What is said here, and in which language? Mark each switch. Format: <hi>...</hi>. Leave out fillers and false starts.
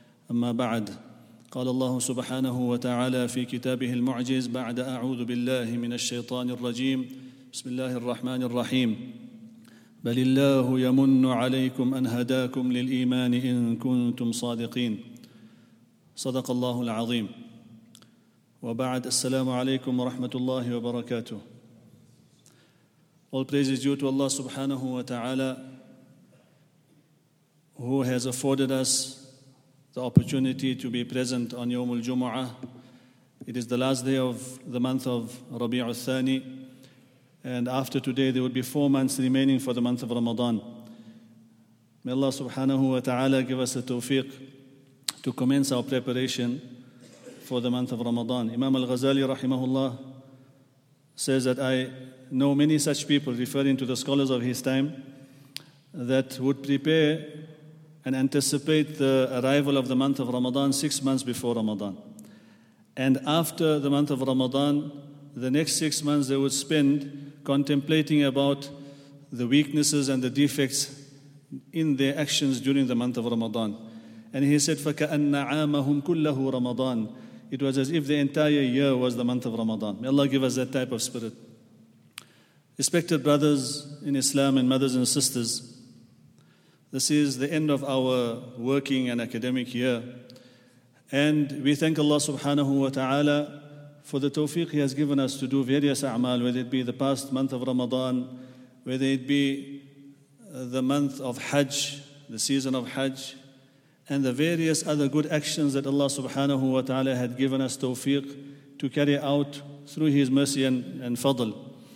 <ar>أما بعد، قال الله سبحانه وتعالى في كتابه المعجز بعد أعوذ بالله من الشيطان الرجيم، بسم الله الرحمن الرحيم: بل الله يمن عليكم أن هداكم للإيمان إن كنتم صادقين. صدق الله العظيم. وبعد، السلام عليكم ورحمة الله وبركاته.</ar> <en>All praise is due to Allah subhanahu wa ta'ala, who has afforded us the opportunity to be present on Yawmul Jumu'ah. It is the last day of the month of Rabi'ul Thani, and after today there will be 4 months remaining for the month of Ramadan. May Allah subhanahu wa ta'ala give us the tawfiq to commence our preparation for the month of Ramadan. Imam Al-Ghazali rahimahullah says that, "I know many such people," referring to the scholars of his time, "that would prepare and anticipate the arrival of the month of Ramadan 6 months before Ramadan. And after the month of Ramadan, the next 6 months they would spend contemplating about the weaknesses and the defects in their actions during the month of Ramadan."</en> <ar>And he said, فَكَأَنَّ عَامَهُمْ كُلَّهُ رَمَضَانِ.</ar> <en>It was as if the entire year was the month of Ramadan. May Allah give us that type of spirit. Respected brothers in Islam and mothers and sisters, this is the end of our working and academic year. And we thank Allah subhanahu wa ta'ala for the tawfiq He has given us to do various a'mal, whether it be the past month of Ramadan, whether it be the month of Hajj, the season of Hajj, and the various other good actions that Allah subhanahu wa ta'ala had given us tawfiq to carry out through His mercy and fadl.</en>